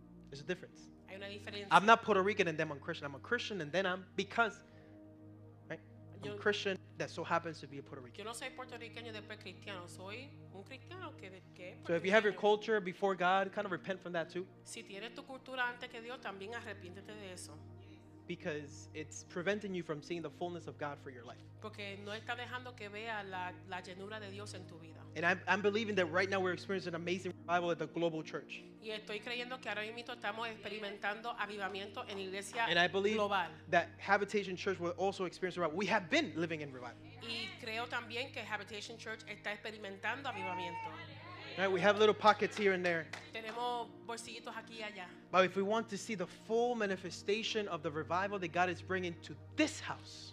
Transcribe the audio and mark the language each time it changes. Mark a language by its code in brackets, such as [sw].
[en] There's a difference. [es] Hay una diferencia. [en] I'm not Puerto Rican and then I'm Christian. I'm a Christian and then I'm because, right? I'm a Christian that so happens to be a Puerto Rican. [es] Yo no soy puertorriqueño después cristiano. Soy un cristiano que es. [en] So if you have your culture before God, kind of repent from that too. [es] Si tienes tu cultura antes que Dios, también arrepiéntete de eso. [en] Because it's preventing you from seeing the fullness of God for your life. [es] Porque no está dejando que vea la llenura de Dios en tu vida. [en] And I'm believing that right now we're experiencing an amazing revival at the global church. [es] Y estoy creyendo que ahora mismo estamos experimentando avivamiento en iglesia global. [en] And I believe that Habitation Church will also experience revival. We have been living in revival. [es] Y creo también que Habitation Church está experimentando avivamiento. [en] Right, we have little pockets here and there. [es] Tenemos bolsillitos aquí y allá. [en] But if we want to see the full manifestation of the revival that God is bringing to this house,